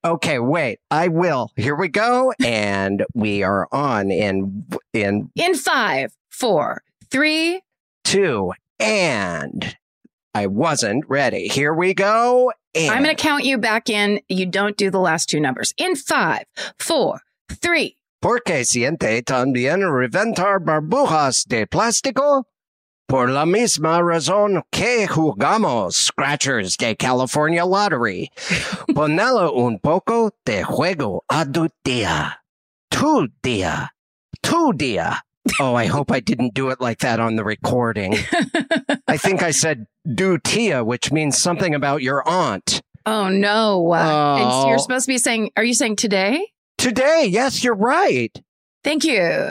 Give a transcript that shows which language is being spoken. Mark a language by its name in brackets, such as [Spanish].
[English] Okay, wait, I will. Here we go. And we are on in 5, 4, 3, 2. And I wasn't ready. Here we go. And I'm going to count you back in. You don't do the last two numbers. In 5, 4, 3. [Spanish] ¿Por qué siente también reventar burbujas de plástico? Por la misma razón que jugamos Scratchers de California Lottery. Ponelo un poco de juego a tu día. Tu día. Tu día. [English] Oh, I hope I didn't do it like that on the recording. I think I said du tía, which means something about your aunt. Oh, no. You're supposed to be saying, are you saying today? Today, yes, you're right. Thank you.